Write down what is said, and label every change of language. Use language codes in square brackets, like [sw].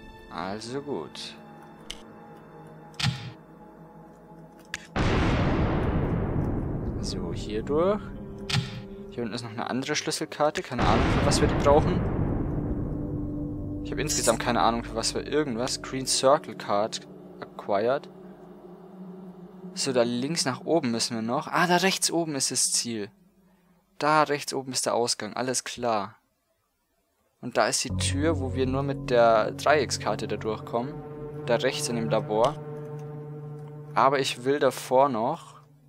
[de] Also gut. So, hier durch. Hier unten ist noch eine andere Schlüsselkarte. Keine Ahnung, für was wir die brauchen. Ich habe insgesamt keine Ahnung, für was wir irgendwas. [en] Green Circle Card acquired. [de] So, da links nach oben müssen wir noch. Ah, da rechts oben ist das Ziel. Da rechts oben ist der Ausgang, alles klar. Und da ist die Tür, wo wir nur mit der Dreieckskarte da durchkommen. Da rechts in dem Labor. Aber ich will davor noch...